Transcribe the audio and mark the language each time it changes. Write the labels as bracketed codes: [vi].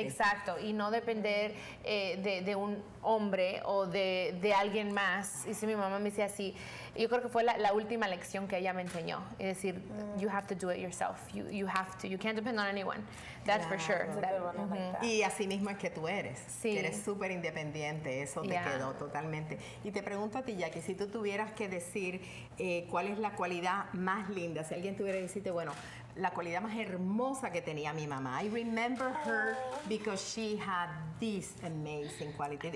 [es] Exacto, y no depender de un hombre o de alguien más. Y si mi mamá me decía así, yo creo que fue la última lección que ella me enseñó. Es decir, [en] you have to do it yourself. You have to. You can't depend on anyone. That's for sure. That, mm-hmm. [es] Y así mismo es que tú eres. Sí. Que eres súper independiente. Eso te quedó totalmente. Y te pregunto a ti, Jackie, si tú tuvieras que decir cuál es la cualidad más linda, si alguien tuviera que decirte, bueno, la cualidad más hermosa que tenía mi mamá. [en] I remember her because she had this amazing quality.